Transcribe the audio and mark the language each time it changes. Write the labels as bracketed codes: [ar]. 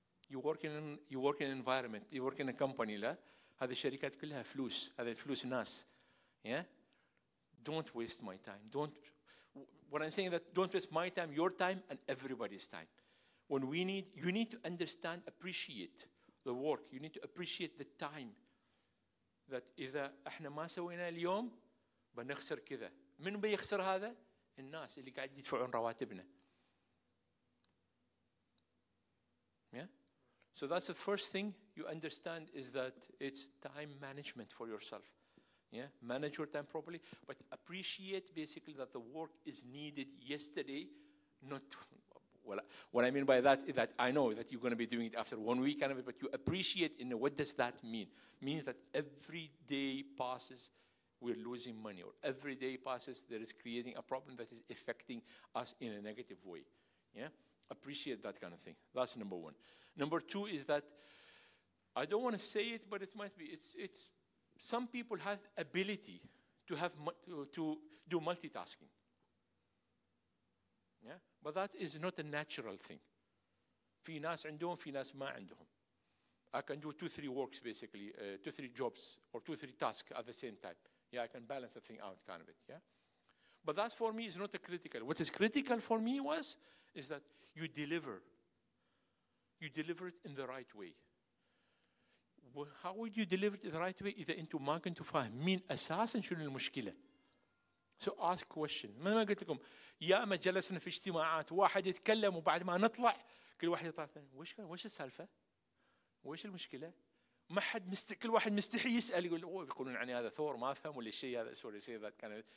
[en] You work in an environment, you work in a company, [ar] لا؟ هذه الشركات كلها فلوس, هذه الفلوس ناس. [en] Yeah? Don't waste my time. Don't, when I'm saying that, don't waste my time, your time, and everybody's time. When we need, you need to understand, appreciate the work, you need to appreciate the time. That [ar] إذا إحنا ما سوينا اليوم بنخسر كذا. من بيخسر هذا؟ الناس اللي قاعد يدفعون رواتبنا. [en] Yeah. So that's the first thing you understand, is that it's time management for yourself. Yeah. Manage your time properly, but appreciate basically that the work is needed yesterday, not. Well, what I mean by that is that I know that you're going to be doing it after 1 week, kind of, but you appreciate, you know, what does that mean? Means that every day passes, we're losing money, or every day passes, there is creating a problem that is affecting us in a negative way. Yeah? Appreciate that kind of thing. That's number one. Number two is that, I don't want to say it, but it might be, it's some people have ability to have to do multitasking. But that is not a natural thing. [ar] في ناس عندهم, في ناس ما عندهم. [en] I can do 2-3 works basically, 2-3 jobs or 2-3 tasks at the same time. Yeah, I can balance the thing out kind of it. Yeah. But that for me is not a critical. What is critical for me was is that you deliver. You deliver it in the right way. How would you deliver it the right way? [ar] إذا أنتم ما كنتم فاهم مين أساساً شنو المشكلة. [en] So ask question. [ar] مثل ما قلت لكم يا أما جلسنا في اجتماعات واحد يتكلم وبعد ما نطلع كل واحد يطلع ثاني وش السالفة؟ وش المشكلة؟ ما حد كل واحد مستحي يسأل يقول أوه يقولون عني هذا ثور ما أفهم ولا شيء هذا [en] sorry say that kind of it.